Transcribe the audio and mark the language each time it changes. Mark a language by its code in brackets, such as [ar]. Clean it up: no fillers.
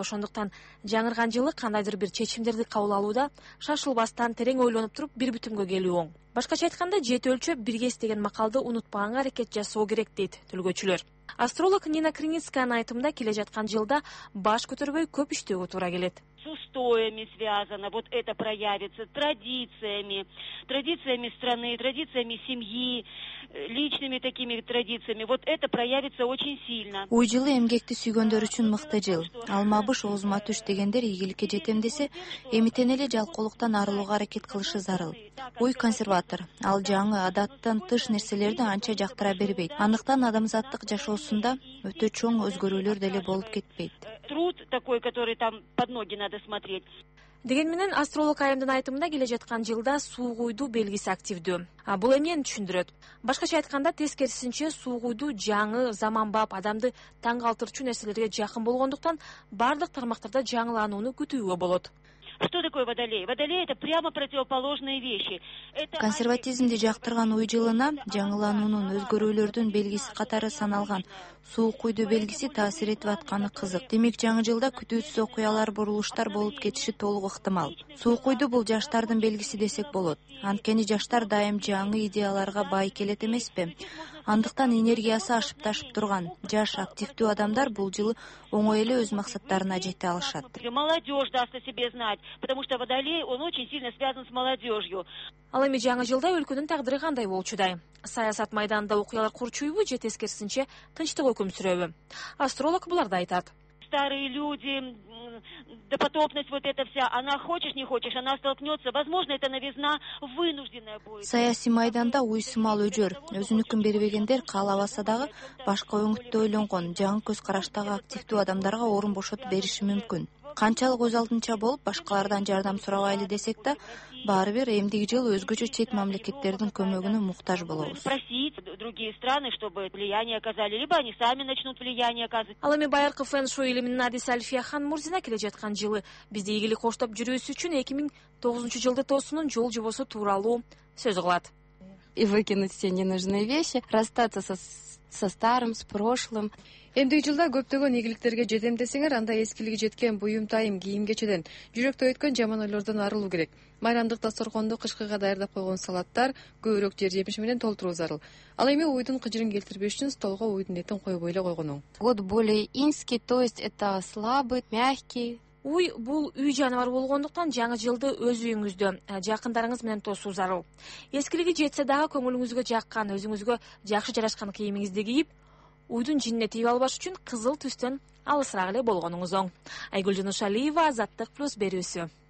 [ky] Ошондуктан жаңырган жылы кандайдыр бир чечимдерди кабыл алууда шашылбастан терең ойлонуп туруп бир бүтүмгө келүү оң. Башкача айтканда, жети өлчөп бир кес деген макалды унутпаганга аракет жасоо керек, дейт төлгөчүлөр. Астролог Нина Криницканын айтымында келе жаткан жылда баш көтөрбөй көп иштөөгө туура келет. [ru] С устоями связано, вот это проявится, традициями, традициями страны, традициями семьи, личными такими традициями. Вот это проявится очень сильно. [ky] Уй жылы эмгекти сүйгөндөр үчүн мыкты жыл. Алма быш, оозума түш дегендер ийгиликке жетем десе, эми тен эле жалкоолуктан арылууга аракет кылышы зарыл. Уй консерватор. Ал жаңы, адаттан тыш нерселерди анча жактыра бербейт. Андыктан адамзаттык жашоосунда өтө чоң өзгөрүүлөр деле болуп кетпейт. [ru] Труд такой, который там под ноги надо смотреть. [ky] Деген менен астролог айымдын айтымында келе жаткан жылда суук уйду белгиси активдүү. А бул эмнени түшүндүрөт? Башкача айтканда, тескерисинче суук уйду жаңы, заманбап, адамды таң калтырчу нерселерге жакын болгондуктан бардык тармактарда жаңылаанууну күтүүгө болот. [ru] Что такое Водолей? Водолей — это прямо противоположные вещи. [ky] Консерватизмди жактырган уй жылына жаңылаануунун өзгөрүүлөрдүн белгиси катары саналган суук уйду белгиси таасир этип атканы кызык. Демек жаңы жылда күтүүсүз окуялар, бурулуштар болуп кетиши толук ыктымал. Суук уйду бул жаштардын белгиси десек болот. Анткени жаштар дайым жаңы идеяларга бай келет эмеспи? Андыктан энергиясы ашып ташып турган жаш активдүү адамдар бул жылы оңой эле өз максаттарына жете алышат. [ru] Молодежь даст о себе знать, потому что Водолей он очень сильно связан с молодежью. [ky] Ал эми жаңы жылда өлкөнүн тагдыры кандай болчудай? Саясат майданында окуялар курчуйбу же тескерисинче тынчтык өкүм сүрөбү? Астролог буларды айтат. [ru] старые люди, допотопность вот эта вся, она хочешь, не хочешь, она столкнется. Возможно, это новизна вынужденная будет. [ky] Саяси майданда уйсымал өжөр. Өзүнүкүн бербегендер каалабаса дагы башка өңүттө ойлонгон, жаңы көз караштагы активдүү адамдарга орун бошотуп бериши мүмкүн. Канчалык өз алдынча болуп, башкалардан жардам сурабайлы десек да, баары бир эмдиги жыл өзгөчө чет мамлекеттердин көмөгүнө муктаж болобуз. [ru] Просить другие страны, чтобы влияние оказали, либо они сами начнут влияние оказывать. [ky] Ал эми байыркы фэн-шуй илимин Надис Альфия Ханмурзина келе жаткан жылы бизди ийгилик коштоп жүрүүсү үчүн 2009 жылды тосунун жол жобосу тууралуу сөз кылат. [ru] И выкинуть все ненужные вещи, расстаться со старым, с прошлым. [ky] Эмдиги жылда көптөгөн ийгиликтерге жетем десеңер, анда эскилиги жеткен буюм тайым кийим кечеден, жүрөктө өткөн жаман ойлордон арылуу керек. Майрандык дасторкондо кышкыга даярдап койгон салаттар көбүрөөк жер жемиш менен толтуруу зарыл. Ал эми уйдун кыжырын келтирбеш үчүн столго уйдун этин коюп эле койгонуң. [ru] Вот более инский, то есть это слабый, мягкий. [ky] Уй бул үй жаныбары болгондуктан жаңы жылды өз үйүңүздө жакындарыңыз менен тосуу зарыл. Эскилиги жетсе дагы көңүлүңүзгө жаккан, өзүңүзгө жакшы жарашкан кийимиңизди кийип, уйдун жинине тийип албаш үчүн кызыл түстөн алысыраак эле болгонуңуз оң. Айгүл Жунушалиева, Азаттык Плюс берүүсү.